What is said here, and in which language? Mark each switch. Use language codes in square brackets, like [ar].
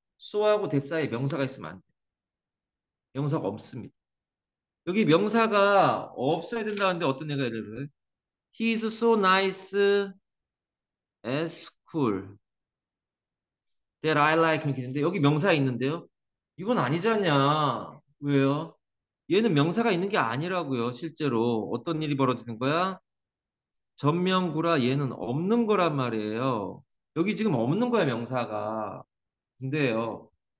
[ko] 소하고 대 사이에 명사가 있으면 안 돼요. 명사가 없습니다. 여기 명사가 없어야 된다는데 어떤 얘가 예를 들어요? [en] He's so nice at school that I like him. [ko] 이렇게 되는데 여기 명사 있는데요. 이건 아니잖냐. 왜요? 얘는 명사가 있는 게 아니라고요, 실제로. 어떤 일이 벌어지는 거야? 전면구라 얘는 없는 거란 말이에요. 여기 지금 없는 거야, 명사가. 근데요.